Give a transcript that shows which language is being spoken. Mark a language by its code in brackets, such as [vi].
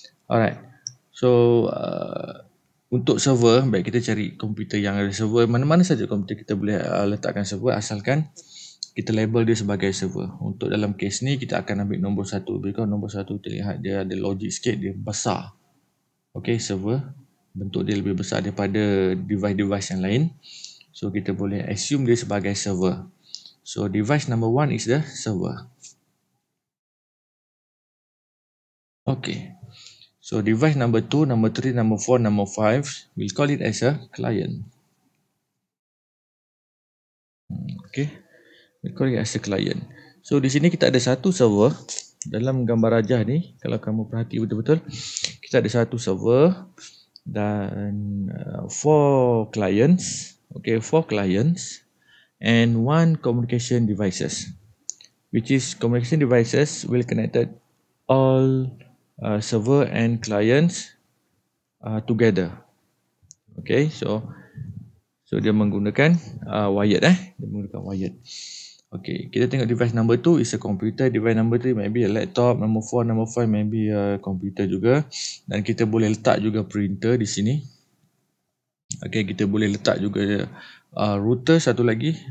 [ms] Alright, so untuk server, baik kita cari komputer yang ada server, mana-mana saja komputer kita boleh letakkan server asalkan kita label dia sebagai server. Untuk dalam kes ni, kita akan ambil nombor 1. Because nombor 1 terlihat dia ada logik sikit, dia besar. Okay, server. Bentuk dia lebih besar daripada device-device yang lain. So, kita boleh assume dia sebagai server. [en] So, device number one is the server. Okay. So, device number two, number three, number four, number five, we'll call it as a client. Okay. We'll call it as a client. So, [ms] di sini kita ada satu server. Dalam gambar rajah ni, kalau kamu perhati betul-betul, kita ada satu server dan [en] four clients. Okay, four clients and one communication devices, which is communication devices will connected all server and clients together. [ms] Okay, so dia menggunakan wired eh. Dia menggunakan wired. [en] Okay, kita tengok device number 2 is a computer. Device number 3 maybe a laptop. Number 4, number 5 maybe a computer juga. [ms] Dan kita boleh letak juga printer di sini. Okay, kita boleh letak juga router satu lagi.